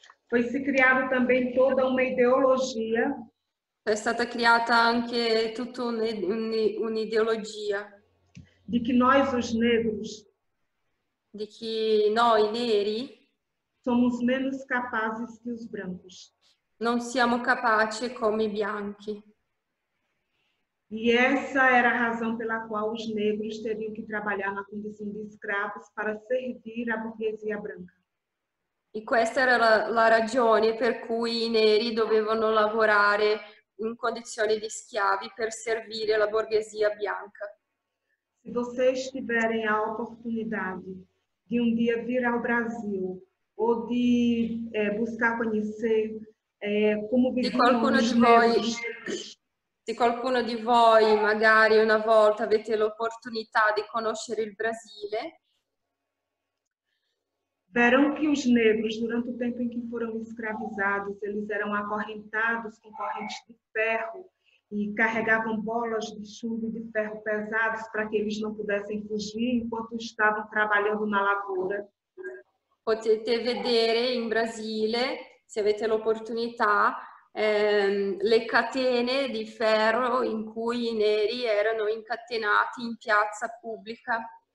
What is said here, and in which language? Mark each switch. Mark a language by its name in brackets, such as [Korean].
[Portuguese] Foi se criada também toda uma ideologia. [Italian] É stata criata anche tutta un'ideologia. [Portuguese] De que nós os negros. [Italian] Di chi noi neri [Portuguese] somos menos capaces que os brancos. [Italian] Non siamo capaci come i bianchi. [Portuguese] E essa era a razão pela qual os negros teriam que trabalhar na condição de escravos para servir a burguesia branca. [Italian] E questa era la ragione per cui i neri dovevano lavorare in condizioni di schiavi per servire la borghesia bianca. [Portuguese] Se vocês tiverem a oportunidade de um dia vir ao Brasil ou de buscar conhecer como viviam os negros. [Italian] Se qualcuno di voi magari una volta avete l'opportunità di conoscere il Brasile, [Portuguese] verão que os negros durante o tempo em que foram escravizados, eles eram acorrentados com correntes de ferro e carregavam bolas de chumbo de ferro pesados para que eles não pudessem fugir enquanto estavam trabalhando na lavoura. [Italian] Potete vedere in Brasile, se avete l'opportunità, le catene di ferro in cui i neri erano incatenati in piazza pubblica.